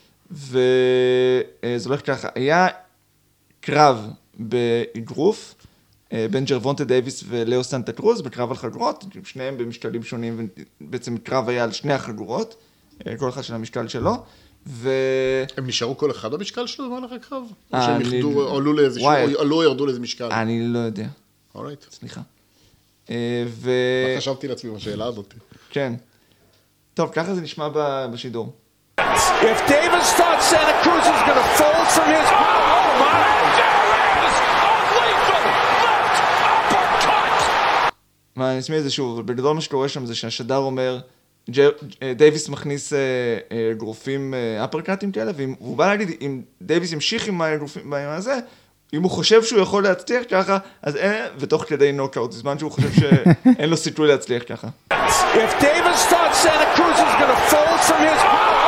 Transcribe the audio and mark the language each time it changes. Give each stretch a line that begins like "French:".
Hebrew: וזה הולך ככה, היה קרב באגרוף, בין ג'רוונטה דייביס ולאו סנטה קרוז בקרב על חגורות, שניהם במשקלים שונים, ובעצם קרב היה על שני החגורות, כל אחד של המשקל שלו, ו... הם נשארו כל אחד במשקל שלו במהלך הקרב? אני... או שהם עלו או ירדו לאיזה משקל? אני לא יודע.
English: אורייט.
Hebrew: סליחה. ו... מה חשבתי לעצמי בשאלה הזאת? כן. טוב, ככה זה נשמע בשידור.
English: If David starts Santa Cruz is going to fall from his...
Hebrew: מה, אני אשמיע את זה שוב, אבל בגדול מה שקורה שם זה שהשדר אומר, דייביס מכניס גרופים אפרקאטים כאלה, והוא בא להגיד, אם דייביס ימשיך עם הגרופים בעניין הזה, אם הוא חושב שהוא יכול להצליח ככה, אז אין, ותוך כדי נוקאוט, זמן שהוא חושב שאין לו סיכוי להצליח ככה.
English: If Davis thought Santa Cruz is going to fall from his...